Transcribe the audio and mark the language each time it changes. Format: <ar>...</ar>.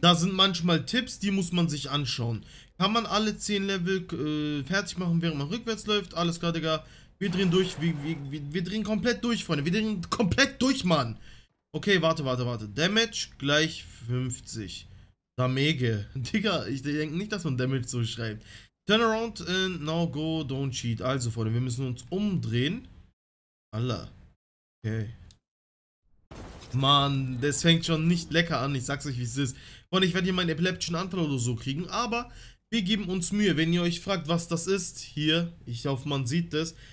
<de>Da sind manchmal Tipps, die muss man sich anschauen. Kann man alle 10 Level fertig machen, während man rückwärts läuft? Alles klar, Digga. Wir drehen durch, wir drehen komplett durch, Freunde. Wir drehen komplett durch, Mann. Okay, warte. Damage gleich 50. Damage. Digga, ich denke nicht, dass man Damage so schreibt.</de> <en>Turn around and now go, don't cheat.</en> <de>Also, Freunde, wir müssen uns umdrehen. Alla. Okay. Mann, das fängt schon nicht lecker an. Ich sag's euch, wie es ist. Freunde, ich werde hier meinen epileptischen Anfall oder so kriegen. Aber wir geben uns Mühe. Wenn ihr euch fragt, was das ist, hier, ich hoffe, man sieht das.</de>